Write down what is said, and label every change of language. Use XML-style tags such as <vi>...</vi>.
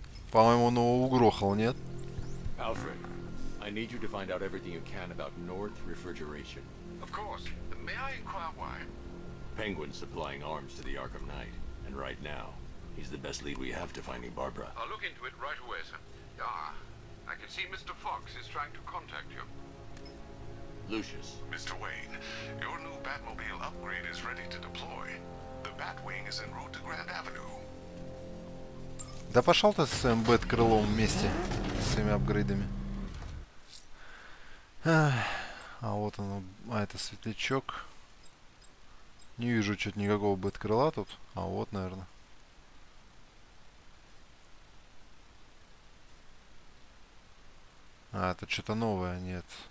<ru>По-моему, он его угрохал, нет?</ru> <en>Alfred, I need you to find out everything you can about North Refrigeration. Of course. May I inquire why? Penguin supplying arms to the Arkham Knight, and right now, he's the best lead we have to finding Barbara. I'll look into it right away, sir. Ah, I can see Mr. Fox is trying to contact you. Lucius. Mr. Wayne, your new Batmobile upgrade is ready to deploy. The Batwing is en route to Grand Avenue.</en> <ru>Да пошел ты с своим Бэткрылом вместе, с своими апгрейдами. А вот он, а это светлячок. Не вижу что-то никакого бэткрыла тут. А вот, наверное. А, это что-то новое, нет.</ru>